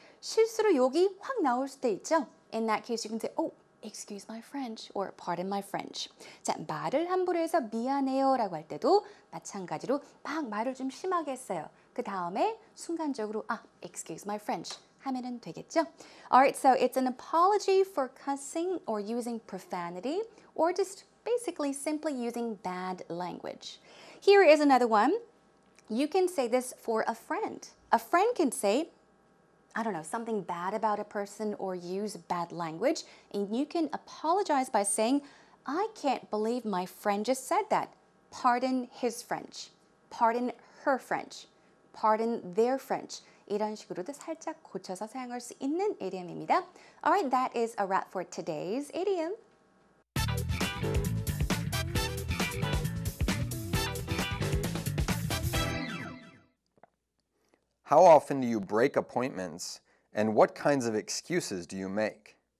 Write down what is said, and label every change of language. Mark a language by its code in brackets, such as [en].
[ko] 실수로 욕이 확 나올 수도 있죠? [en] In that case, you can say, oh, excuse my French, or pardon my French. [ko] 자, 말을 함부로 해서 미안해요 라고 할 때도 마찬가지로 막 말을 좀 심하게 했어요. 그 다음에 순간적으로, 아, [en] excuse my French [ko] 하면 되겠죠? [en] Alright, so it's an apology for cussing or using profanity or just basically simply using bad language. Here is another one. You can say this for a friend. A friend can say, I don't know, something bad about a person or use bad language. And you can apologize by saying, I can't believe my friend just said that. Pardon his French. Pardon her French. Pardon their French. [ko] 이런 식으로도 살짝 고쳐서 사용할 수 있는 idiom입니다. [en] All right, that is a wrap for today's idiom. How often do you break appointments, and what kinds of excuses do you make?